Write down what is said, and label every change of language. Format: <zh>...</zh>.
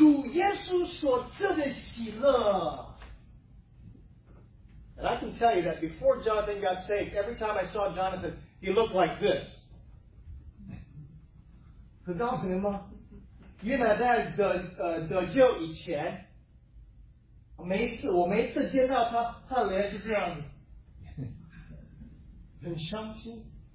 <zh>你就在他脸上看得出来他有主耶稣所赐的喜乐。</zh> <en>And I can tell you that before Jonathan got saved, every time I saw Jonathan, he looked like this.</en> <zh>可告诉你们吗？约拿单得救以前，我每一次见到他，他的脸是这样的，很伤心。</zh>